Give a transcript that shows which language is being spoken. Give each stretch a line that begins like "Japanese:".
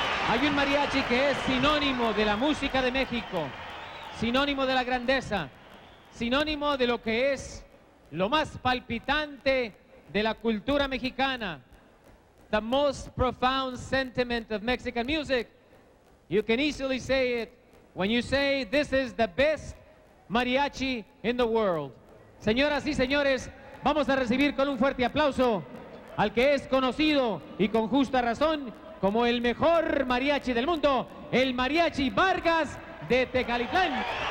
Spanish: Hay un mariachi que es sinónimo de la música de México, sinónimo de la grandeza, sinónimo de lo que es lo más palpitante de la cultura mexicana.
English: The most profound sentiment of Mexican music. You can easily say it when you say this is the best mariachi in the world.
Spanish: Señoras y señores, vamos a recibir con un fuerte aplauso al que es conocido y con justa razón como el mejor mariachi del mundo, el mariachi Vargas de Tecalitlán.